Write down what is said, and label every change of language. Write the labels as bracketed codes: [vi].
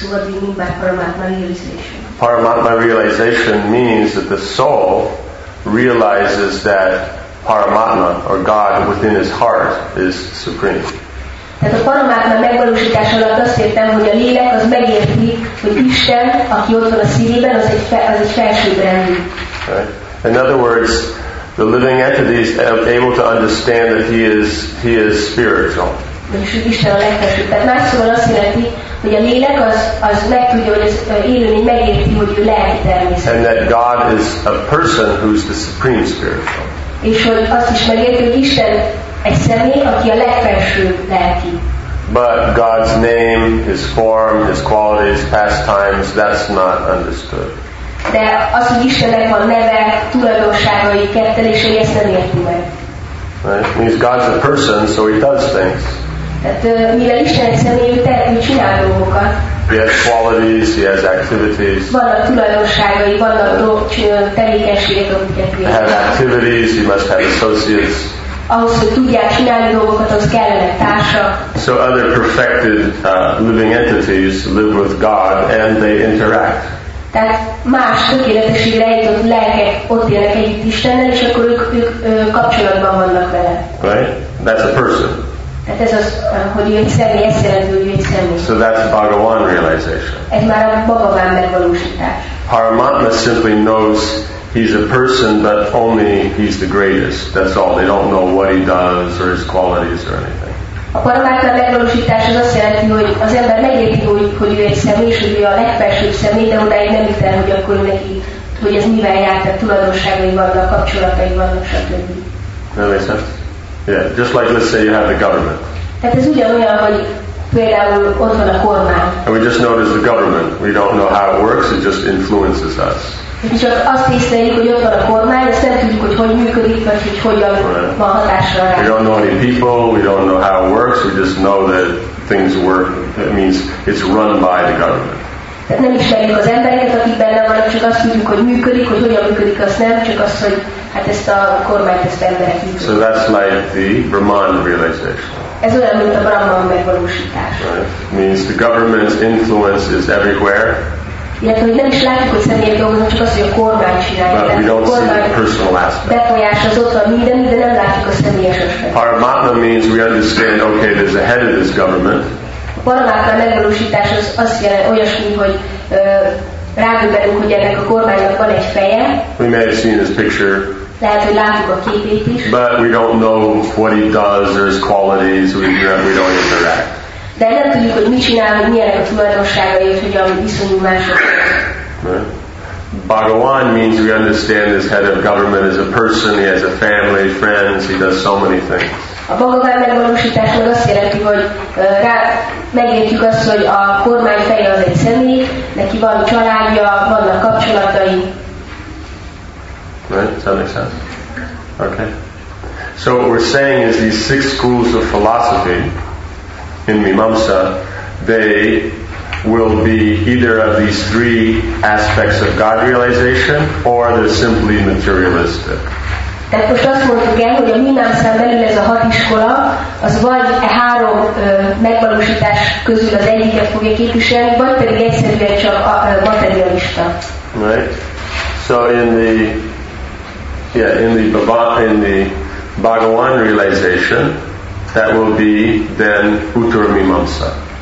[en] So what do you mean by paramatma realization? Paramatma realization means that the soul realizes that Paramatma, or God within his heart, is supreme. [hu] Tehát a paramatma megvalósítás alatt azt értem, hogy a lélek az megérti, hogy Isten, aki ott van a szívében, az egy felsőbbrendű. [en] Right. In other words, the living entity is able to understand that he is spiritual. [hu] És hogy Isten a legfelsőbb. Tehát más szóval azt jelenti, hogy a lélek az meg tudja, hogy az élőni megérti, hogy ő lelki természet. [en] And that God is a person who's the supreme spiritual. [hu] És hogy azt is megérti, hogy Isten egy személy, aki a legfelső lelki. [en] But God's name, his form, his qualities, pastimes, that's not understood. [hu] De az, hogy Istennek van neve, tulajdonságai, kettelései, ezt nem érti meg. [en] Right? Means God's a person, so he does things. [hu] Tehát mivel Isten egy személy, ő tehet, hogy csinál dolgokat. [en] He has qualities, he has activities. [hu] Vannak tulajdonságai, vannak tevékenységek, amiket végez. [en] Have activities, he must have associates. [hu] Ahhoz, hogy tudják csinálni dolgokat, az kellene társa. [en] So other perfected living entities live with God and they interact. [hu] Tehát más tökéletességre jutott lelkek ott élnek együtt Istennel, és akkor ők kapcsolatban vannak vele. [en] Right? That's a person. [hu] Tehát ez az, hogy ő egy személy, ezt jelenti, hogy ő egy személy. [en] So that's Bhagavan realization. [hu] Ez már a Bhagavan megvalósítás. [en] Paramatma simply knows he's a person, but only he's the greatest. That's all. They don't know what he does or his qualities or anything. [hu] A paramatma megvalósítás az azt jelenti, hogy az ember megérti, hogy ő egy személy, és hogy ő a legfelsőbb személy, de odáig nem jut el, hogy akkor neki, hogy ez mivel járt, tehát tulajdonságai vannak, kapcsolatai vannak, stb. Nem érzem? [en] Yeah, just like let's say you have the government. [hu] Tehát ez ugyanolyan, hogy például ott van a kormány. [en] And we just notice the government. We don't know how it works. It just influences us. [hu] És csak azt észleljük, hogy ott van a kormány, és nem tudjuk, hogy működik, vagy hogy hogyan van hatásra rá. [en] We don't know any people. We don't know how it works. We just know that things work. That means it's run by the government. [hu] Tehát nem ismerjük az embereket, akik benne vannak, csak azt tudjuk, hogy működik, hogy hogyan működik, azt nem, csak azt, hogy hát ezt a kormányt, ezt emberek működik. [en] So that's like the Brahman realization. [hu] Ez olyan, mint a Brahman megvalósítás. [en] Right. Means the government's influence is everywhere. [hu] Illetve, hogy nem is látjuk, hogy személyek dolgoznak, csak azt, hogy a kormány csinálja. [en] But we don't see the personal aspect. [hu] Befolyás az ott van minden, de nem látjuk a személyes aspektet. [en] Paramatma means we understand, okay, there's a head of this government. [hu] Paramatma megvalósítás az azt jelenti olyasmi, hogy rádöbbenünk, hogy ennek a kormánynak van egy feje. [en] We may have seen his picture. [hu] Lehet, hogy látjuk a képét is. [en] But we don't know what he does or his qualities. We don't interact. [hu] De nem tudjuk, hogy mit csinál, hogy milyenek a tulajdonságai, és hogy amit viszonyul másokkal. [en] Bhagavan means we understand this head of government as a person, he has a family, friends, he does so many things. [hu] A Bhagavan megvalósítás meg azt jelenti, hogy megértjük azt, hogy a kormány feje az egy személy, neki van családja, vannak kapcsolatai. [en] Right, does that make sense? Okay. So what we're saying is these six schools of philosophy in Mimamsa, they will be either of these three aspects of God realization, or they're simply materialistic. [hu] Tehát most azt mondtuk el, hogy a Mimamsán belül ez a hat iskola, az vagy e három megvalósítás közül az egyiket fogja képviselni, vagy pedig egyszerűen csak a materialista. [en] Right. So in the Bhagavan realization, that will be then Uttara Mimamsa.